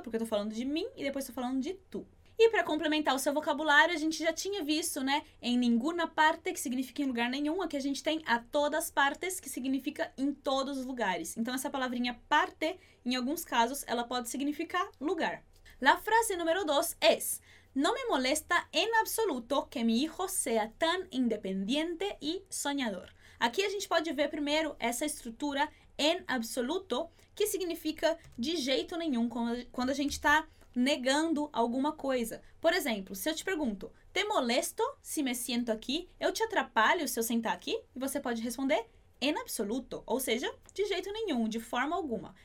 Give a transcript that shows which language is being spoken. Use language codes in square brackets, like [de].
[pt] Porque eu estou falando de mim e depois estou falando de tu. E para complementar o seu vocabulário, a gente já tinha visto, né, em ninguna parte, que significa em lugar nenhum, aqui a gente tem a todas partes, que significa em todos os lugares. Então essa palavrinha parte, em alguns casos, ela pode significar lugar. [es] La frase número 2 es: no me molesta en absoluto que mi hijo sea tan independiente y soñador. [pt] Aqui a gente pode ver primeiro essa estrutura en absoluto, que significa de jeito nenhum, quando a gente está negando alguma coisa. Por exemplo, se eu te pergunto, [es] te molesto si me siento aqui? [pt] Eu te atrapalho se eu sentar aqui? E você pode responder en absoluto, ou seja, de jeito nenhum, de forma alguma.